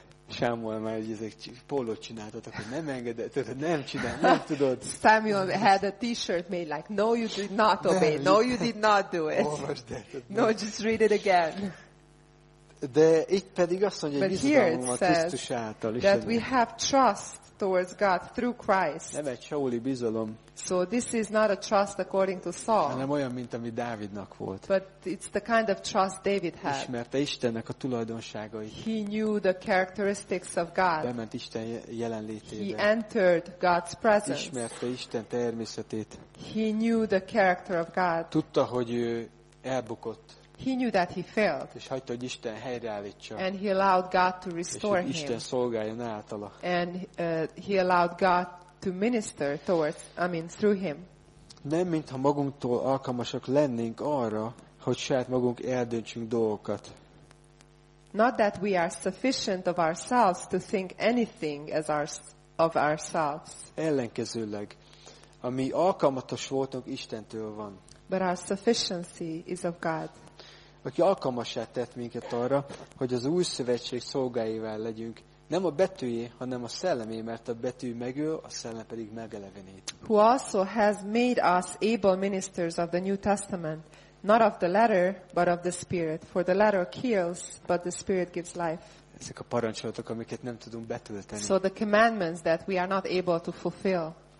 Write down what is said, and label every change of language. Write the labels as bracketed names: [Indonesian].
[Hungarian] Samuel már ezek pólót csináltatok, hogy nem engedett, nem csinál, nem tudod. [English] Samuel had a t-shirt made like, no, you did not obey, no, you did not do it. No, just read it again. [Hungarian] De itt pedig azt mondja, hogy bizalmunk van Krisztus által is. [English] That we have trust towards God through Christ. [Hungarian] Nem egy sauli bizalom. [English] So this is not a trust according to Saul. [Hungarian] Hanem olyan, mint ami Dávidnak volt. [English] But it's the kind of trust David had. [Hungarian] Ismerte Istennek a tulajdonságait. [English] He knew the characteristics of God. [Hungarian] Bement Isten jelenlétébe. [English] He entered God's presence. [Hungarian] Ismerte Isten természetét. [English] He knew the character of God. [Hungarian] Tudta, hogy ő elbukott. [English] He knew that he failed. [Hungarian] És hagyta, hogy Isten helyreállítsa. [English] And he allowed God to restore him. [Hungarian] És Isten szolgáljon általa. [English] And he allowed God to minister towards, through him. [Hungarian] Nem mintha magunktól alkalmasak lennénk arra, hogy saját magunk eldöntsünk dolgokat. [English] Not that we are sufficient of ourselves to think anything as of ourselves. [Hungarian] Ellenkezőleg, ami alkalmatos voltunk Istentől van. [English] But our sufficiency is of God. [Hungarian] Aki alkalmassá tett minket arra, hogy az új szövetség szolgáival legyünk, nem a betűjé, hanem a szellemé, mert a betű megöl, a szellem pedig megelevenít. [English] Who also has made us able ministers of the New Testament, not of the letter, but of the Spirit, for the letter kills, but the Spirit gives life. [Hungarian] Ezek a parancsolatok, amiket nem tudunk betölteni. [English] So the commandments that we are not able to fulfill.